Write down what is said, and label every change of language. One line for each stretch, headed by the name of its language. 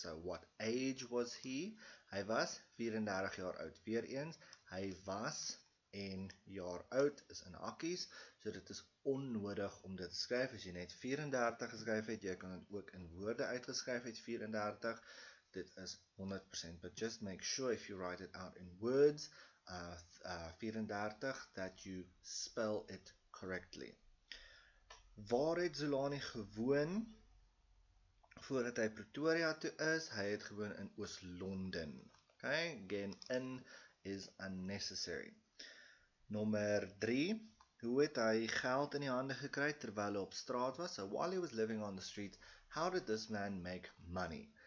English: So what age was he?
Afrikaans: Hy was 34 jaar oud. Weereens, hy was en jaar oud is in hakkies, so dit is onnodig om dit te skryf. As jy net 34 geskryf het, jy kan dit ook in woorde uitgeskryf het, 34. Dit is 100%,
English: but just make sure if you write it out in words, 34, that you spell it correctly.
Afrikaans: Waar het Zulani gewoon? Voordat hy Pretoria toe is, hy het gewoon in Oos-London.
English: Okay, again, in is unnecessary.
Afrikaans: Nommer 3, hoe het hy geld in die hande gekry terwyl hy op straat was?
English: So, while he was living on the street, how did this man make money?